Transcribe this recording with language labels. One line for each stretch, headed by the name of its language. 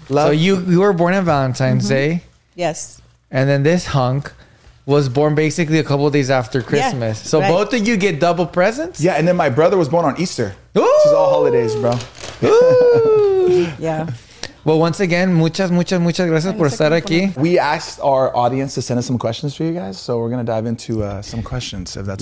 English: Love. So you were born on Valentine's mm-hmm. Day. Yes. And then this hunk was born basically a couple of days after Christmas. Yeah, so right. both of you get double presents? Yeah, and then my brother was born on Easter. Ooh! This is all holidays, bro. Yeah. Well, once again,
Spanish: muchas, muchas, muchas gracias por estar aquí.
English: We asked our audience to send us some questions for you guys, so we're going to dive into some questions, if that's